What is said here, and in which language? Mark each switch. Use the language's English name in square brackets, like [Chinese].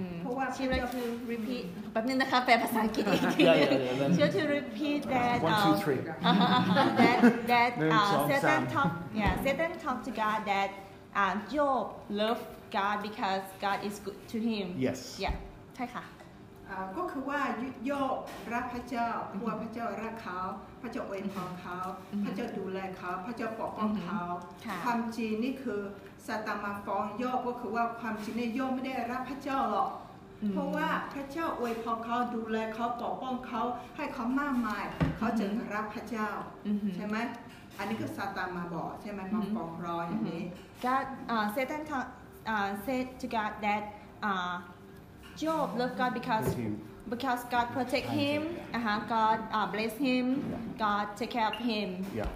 [Thai] เพราะว่า [English] Satan talked to God that Job loved God because God is good to him. Yes. Yeah. [Thai] ใช่ค่ะ ก็คือว่าโยบรักพระเจ้าเพราะว่าพระเจ้ารักเขาพระเจ้าอวยพรเขาพระเจ้าดูแลเขาพระเจ้าปกป้องเขาความจริงนี่คือซาตานมาฟ้องโยบก็คือว่าความจริงในโยบไม่ได้รักพระเจ้าหรอกเพราะว่าพระเจ้าอวยพรเขาดูแลเขาปกป้องเขาให้เขามากมายเขาจึงรักพระเจ้าใช่ไหมอันนี้ก็ซาตานมาบอกใช่ไหมมาปองร้อยอย่างนี้ [English] God Satan said to God that Job loved God because God protect him God bless him God take care of him